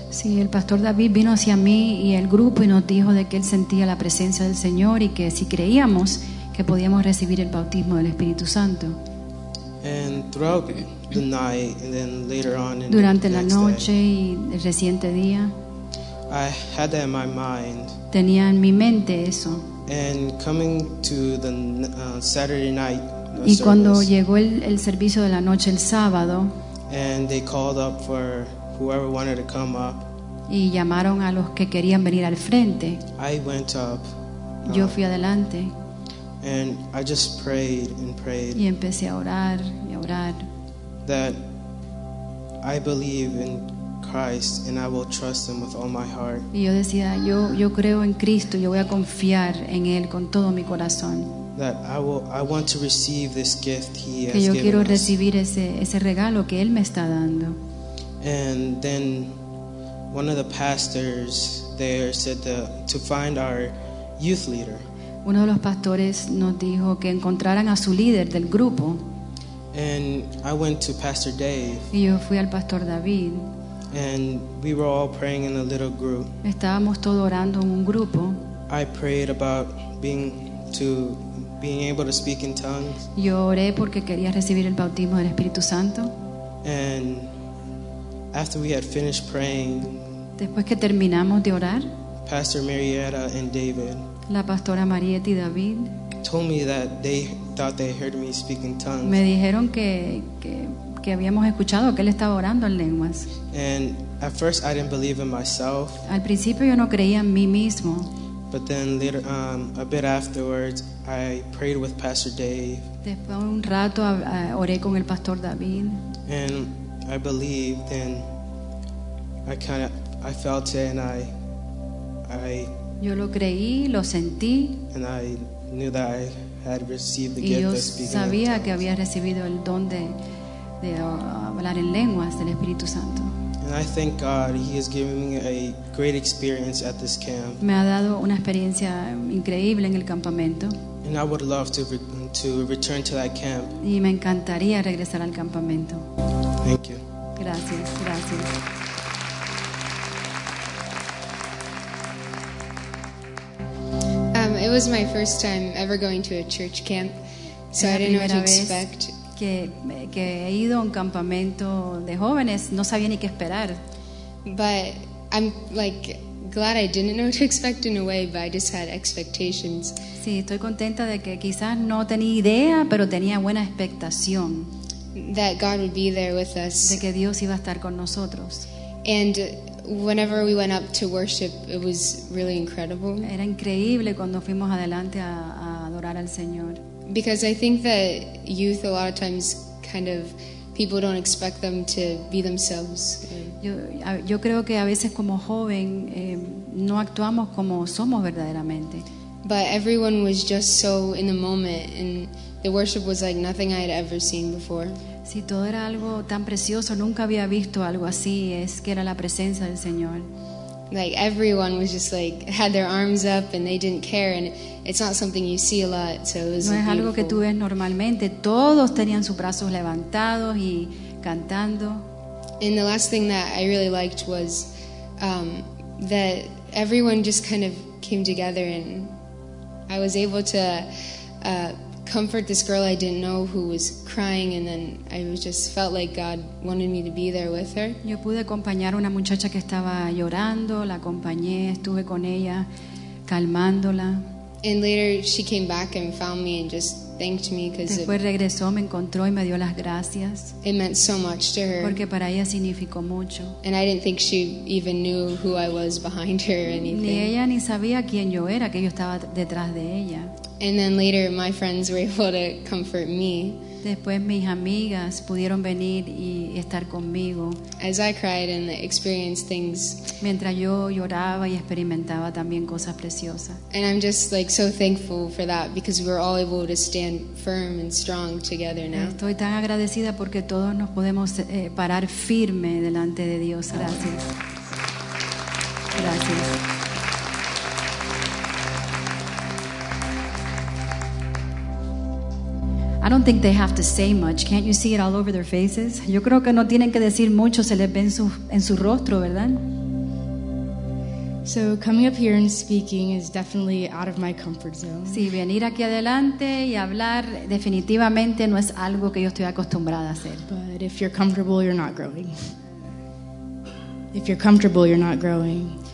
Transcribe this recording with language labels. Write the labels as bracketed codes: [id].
[es] Sí, el pastor David vino hacia mí y el grupo y nos dijo de que él sentía la presencia del Señor y que si creíamos que podíamos recibir el bautismo del Espíritu Santo. [en] And throughout the night, and then later on in [es] durante [en] the [es] la noche [en] day, [es] y el reciente día, [en] I had that in my mind. [es] Tenía en mi mente eso. [en] And coming to the Saturday night, [es] y [en] service, [es] cuando llegó el servicio de la noche el sábado, [en] and they called up for whoever wanted to come up, [es] y llamaron a los que querían venir al frente, [en] I went up, [es] yo fui adelante, [en] and I just prayed and prayed, [es] y empecé a orar y a orar, [en] that I believe in Christ and I will trust him with all my heart, [es] y yo decía yo creo en Cristo, yo voy a confiar en él con todo mi corazón, [en] that I want to receive this gift he has [es] que yo quiero recibir ese regalo que él me está dando. [en] And then one of the pastors there said to find our youth leader. [es] Uno de los pastores nos dijo que encontraran a su líder del grupo. [en] And I went to Pastor Dave. [es] Y yo fui al Pastor David. [en] And we were all praying in a little group. [es] Estábamos todos orando en un grupo. [en] I prayed about being able to speak in tongues. [es] Yo oré porque quería recibir el bautismo del Espíritu Santo. [en] And after we had finished praying, [es] después que terminamos de orar, [en] Pastor Marietta and David, [es] la pastora Marietta y David, [en] told me that they thought they heard me speak in tongues. [es] Me dijeron que habíamos escuchado que él estaba orando en lenguas. [en] And at first I didn't believe in myself. [es] Al principio yo no creía en mí mismo. [en] But then later, a bit afterwards, I prayed with Pastor Dave. [es] Después un rato oré con el pastor David. [en] And I believed, and I felt it, and I. [es] Yo lo creí, lo sentí. [en] And I knew that I had received the gift of speaking in tongues. [es] Y yo sabía que había recibido el don de hablar en lenguas del Espíritu Santo. [en] And I thank God he has given me a great experience at this camp. [es] Me ha dado una experiencia increíble en el campamento. [en] And I would love to return to that camp. [es] Y me encantaría regresar al campamento. [en] Thank you. [es] Gracias, gracias. [en] It was my first time ever going to a church camp, so I didn't know what to expect. [es] Que he ido a un campamento de jóvenes, no sabía ni qué esperar. [en] But I'm like glad I didn't know what to expect in a way, but I just had expectations. [es] Sí, estoy contenta de que quizás no tenía idea, pero tenía buena expectación. [en] That God would be there with us. [es] De que Dios iba a estar con nosotros. [en] And whenever we went up to worship, it was really incredible. [es] Era increíble cuando fuimos adelante a adorar al Señor. [en] Because I think that youth, a lot of times, kind of people don't expect them to be themselves. [es] Yo creo que a veces como joven no actuamos como somos verdaderamente. [en] But everyone was just so in the moment, and the worship was like nothing I had ever seen before. [es] Si todo era algo tan precioso, nunca había visto algo así. Es que era la presencia del Señor. [en] Like everyone was just like had their arms up and they didn't care, and it's not something you see a lot, so it was [es] no es algo que tú ves normalmente. Todos tenían sus brazos levantados y cantando. [en] And the last thing that I really liked was that everyone just kind of came together, and I was able to comfort this girl I didn't know who was crying, and then I was just felt like God wanted me to be there with her. [es] Yo pude acompañar a una muchacha que estaba llorando, la acompañé, estuve con ella, calmándola. [en] And later she came back and found me and just thanked me because [es] después regresó, me encontró y me dio las gracias. [en] It meant so much to her. [es] Porque para ella significó mucho. [en] And I didn't think she even knew who I was behind her or anything. [es] Ni ella ni sabía quién yo era, que yo estaba detrás de ella. [en] And then later my friends were able to comfort me. [es] Después mis amigas pudieron venir y estar conmigo. [en] As I cried and experienced things. [es] Mientras yo lloraba y experimentaba también cosas preciosas. [en] And I'm just like so thankful for that because we're all able to stand firm and strong together now. [es] Estoy tan agradecida porque todos nos podemos parar firme delante de Dios. Gracias. Gracias. [en] I don't think they have to say much. Can't you see it all over their faces? [es] Yo creo que no tienen que decir mucho. Se les ve en su rostro, ¿verdad? [en] So coming up here and speaking is definitely out of my comfort zone. [es] Sí, venir aquí adelante y hablar definitivamente no es algo que yo estoy acostumbrada a hacer. [en] But if you're comfortable, you're not growing. If you're comfortable, you're not growing.